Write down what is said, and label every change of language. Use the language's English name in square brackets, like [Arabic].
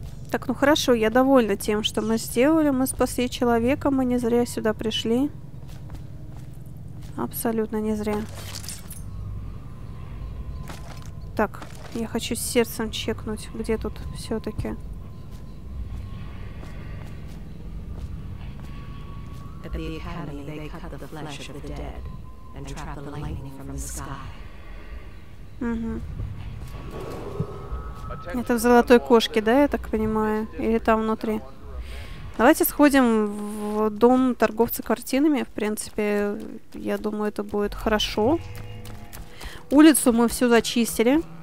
[Russian] Так, ну хорошо, я довольна тем, что мы сделали. Мы спасли человека, мы не зря сюда пришли. Абсолютно не зря. Так, я хочу с сердцем чекнуть, где тут все-таки. [English] At the academy, they cut the flesh of the dead and trap the lightning from the sky. [Russian] Это в золотой кошке, да, я так понимаю? Или там внутри? Давайте сходим в дом торговца картинами. В принципе, я думаю, это будет хорошо. Улицу мы всю зачистили.